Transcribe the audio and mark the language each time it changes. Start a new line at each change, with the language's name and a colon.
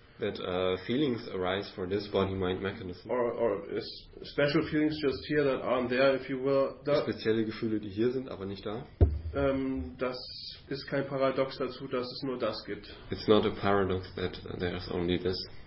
English: that feelings arise for this body mind mechanism, or is special feelings just here that aren't there, if you will,
German: that spezielle Gefühle, die hier sind, aber nicht da. Das ist kein Paradox dazu, dass es nur das gibt.
English: It's not a paradox that there is only this.